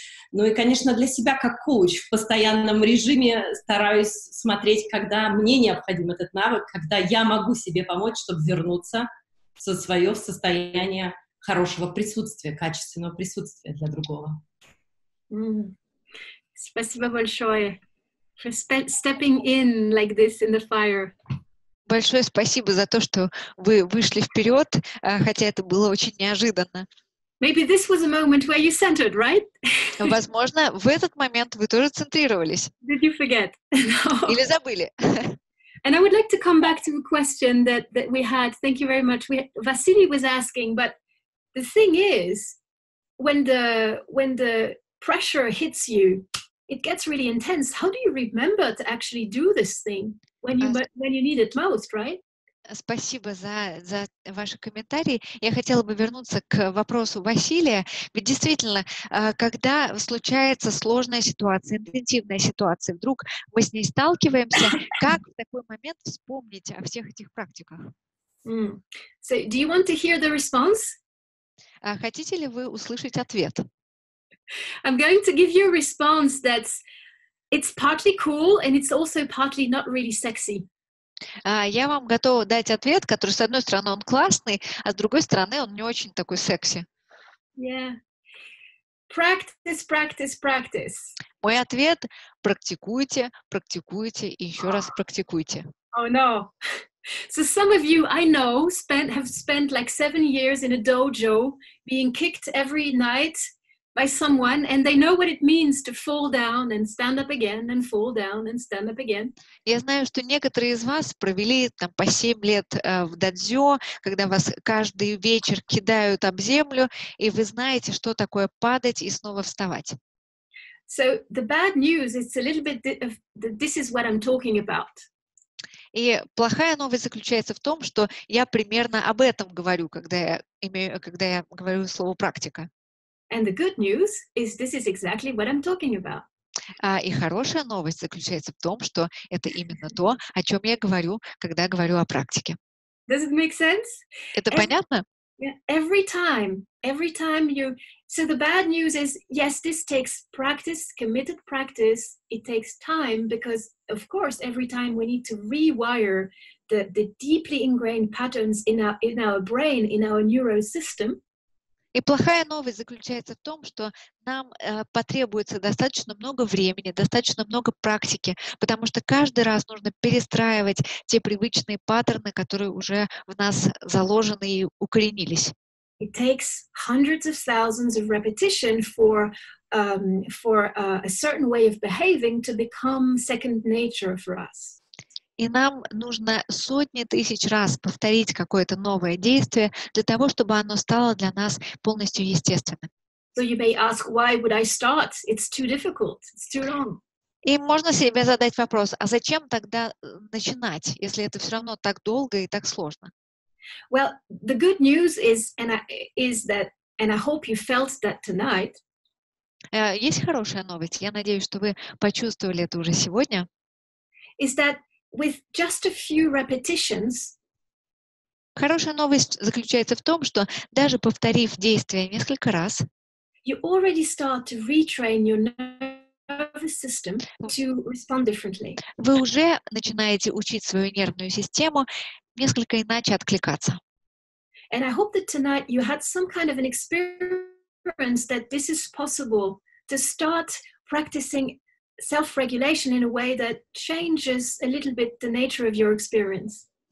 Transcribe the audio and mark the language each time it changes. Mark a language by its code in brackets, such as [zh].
[ru] Ну и, конечно, для себя как коуч в постоянном режиме стараюсь смотреть, когда мне необходим этот навык, когда я могу себе помочь, чтобы вернуться в свое состояние хорошего присутствия, качественного присутствия для другого. Спасибо большое [en] for stepping in like this in the fire. [ru] Большое спасибо за то, что вы вышли вперед, хотя это было очень неожиданно. [en] Maybe this was a moment where you centered, right? [ru] Возможно, в этот момент вы тоже центрировались. [en] Did you forget? [ru] No. Или забыли? [en] And I would like to come back to a question that we had. Thank you very much. Vasily was asking, but the thing is, when the pressure hits you, it gets really intense. How do you remember to actually do this thing when you need it most, right? [ru] Спасибо за ваши комментарии. Я хотела бы вернуться к вопросу Василия. Ведь действительно, когда случается сложная ситуация, интенсивная ситуация, вдруг мы с ней сталкиваемся, как в такой момент вспомнить о всех этих практиках? [en] So, do you want to hear the response? [ru] Хотите ли вы услышать ответ? [en] I'm going to give you a response that's it's partly cool and it's also partly not really sexy. [ru] Я вам готова дать ответ, который, с одной стороны, он классный, а с другой стороны, он не очень такой секси. [en] Yeah. Practice, practice, practice. [ru] Мой ответ — практикуйте, практикуйте и еще раз практикуйте. [en] Oh, no. So some of you, I know, have spent like 7 years in a dojo being kicked every night by someone, and they know what it means to fall down and stand up again and fall down and stand up again. [ru] Я знаю, что некоторые из вас провели там по 7 лет в додзё, когда вас каждый вечер кидают об землю, и вы знаете, что такое падать и снова вставать. [en] So the bad news is a little bit of this is what I'm talking about. [ru] И плохая новость заключается в том, что я примерно об этом говорю, когда я говорю слово практика. [en] And the good news is this is exactly what I'm talking about. [ru] И хорошая новость заключается в том, что это именно то, о чем я говорю, когда говорю о практике. [en] Does it make sense? [ru] Это понятно? [en] Every time you... So the bad news is, yes, this takes practice, committed practice. It takes time because, of course, every time we need to rewire the deeply ingrained patterns in our brain, in our neurosystem. [ru] И плохая новость заключается в том, что нам потребуется достаточно много времени, достаточно много практики, потому что каждый раз нужно перестраивать те привычные паттерны, которые уже в нас заложены и укоренились. [en] It takes hundreds of thousands of repetition for a certain way of behaving to become second nature for us. [ru] И нам нужно сотни тысяч раз повторить какое-то новое действие для того, чтобы оно стало для нас полностью естественным. [en] So you may ask, why would I start? It's too difficult. It's too long. [ru] И можно себе задать вопрос, а зачем тогда начинать, если это все равно так долго и так сложно? [en] Well, the good news is that I hope you felt that tonight. [ru] Есть хорошая новость. Я надеюсь, что вы почувствовали это уже сегодня. [en] Is that with just a few repetitions. [ru] Хорошая новость заключается в том, что даже повторив действие несколько раз, [en] you already start to retrain your nervous system to respond differently. [ru] Вы уже начинаете учить свою нервную систему несколько иначе откликаться. [en] And I hope that tonight you had some kind of an experience that this is possible to start practicing self-regulation in a way that changes a little bit the nature of your experience.